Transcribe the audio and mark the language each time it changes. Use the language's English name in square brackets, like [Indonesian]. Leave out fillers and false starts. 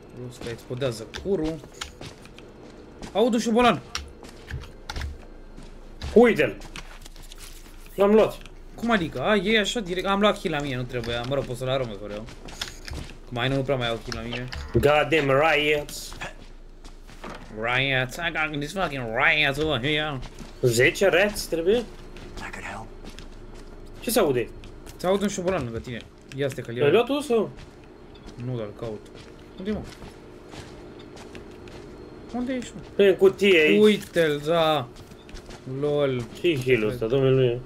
[Romanian] Ăsta explodează curul. Aud un șobolan! Uite-l! L-am luat! Cum adică? A, e așa direct? Am luat kill la mine, nu trebuia. Mă rog, pot să-l arunc, vreau. Că mai nu prea mai au kill la mine. [English] Goddamn riots! Riots, I got this fucking riots over here. [Romanian] 10 rats trebuie? [English] I could help. [Romanian] Ce se aude? Se aude un șobolan lângă tine. Ia să te căl. L-ai luat tu sau? Nu, dar caut. Unde e, mă? Unde ești, mă? Pe cutie aici. Uite-l, da. Lol. Ce-i heal-ul ăsta, domnule?